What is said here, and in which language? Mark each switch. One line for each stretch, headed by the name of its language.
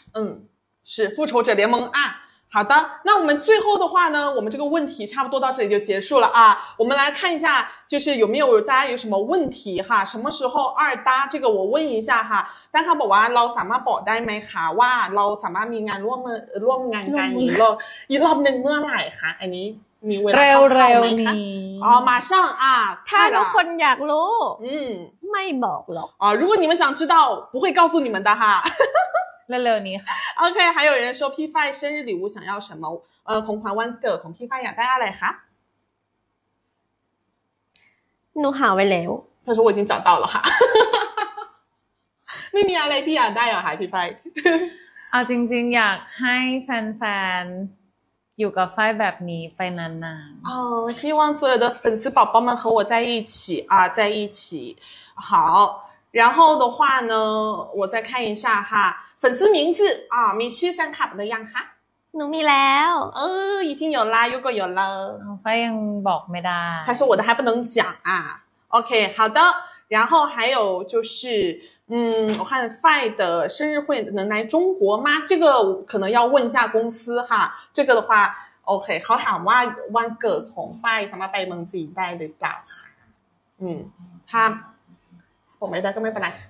Chinese: อืม是复仇者联盟啊好的那我们最后的话呢我们这个问题差不多到这里就结束了啊我们来看一下就是有没有大家有什么问题哈什么时候二搭这个我问一下哈
Thai: แฟนคลับบอกว่าเราสามารถบอกได้ไหมคะว่าเราสามารถมีงานร่วมงานกันอีกรอบนึงเมื่อไหร่คะอันนี้มีเวลาเข้าไหมคะอ๋อมาช่างอ่ะ ถ้าทุกคนอยากรู้ อืม ไม่บอกหรอก
Chinese: อ๋อ如果你们想知道不会告诉你们的哈
Thai: เร็วๆนี้ OK
Chinese: 还有人说
Thai: พี่ฝ้าย
Chinese: 生日礼物想要什么
Thai: ของขวัญวันเกิดของพี่ฝ้ายอยากได้อะไรคะ หนูหาไว้แล้ว ถ้าช่วยจริงจอดเต่าหรอคะไม่มีอะไรที่อยากได้หรอคะพี่ไฟ เอาจริงๆอยากให้แฟนๆอยู่กับไฟแบบนี้ไปนานๆ
Chinese: 希望所有的粉丝宝宝们和我在一起啊在一起好然后的话呢我再看一下哈粉丝名字啊
Thai: มีชื่อแฟนคลับหรือยังคะ หนูมีแล้ว
Chinese: เออ已经有啦如果有了
Thai: ไฟยังบอกไม่ได้
Chinese: 他说我的还不能讲啊 OK 好的然后还有就是我看 Fi 的生日会能来中国吗这个可能要问一下公司哈这个的话 OK
Thai: เขาถามว่าวันเกิดของ Fi สามารถไปเมืองจีนได้หรือเปล่าค่ะถ้าบอกไม่ได้ก็ไม่เป็นไร